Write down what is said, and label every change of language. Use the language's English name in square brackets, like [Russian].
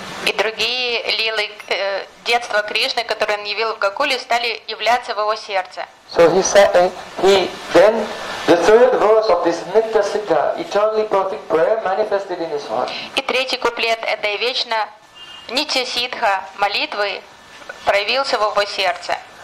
[Russian] И другие лилы детства Кришны, которые он явил в Гокуле, стали являться в его сердце. [English] So he said, he then, the third verse of this Nitya Siddha, eternally perfect prayer manifested in his heart. [Russian] И третий куплет этой вечно Нитья Сиддха молитвы проявился в его сердце.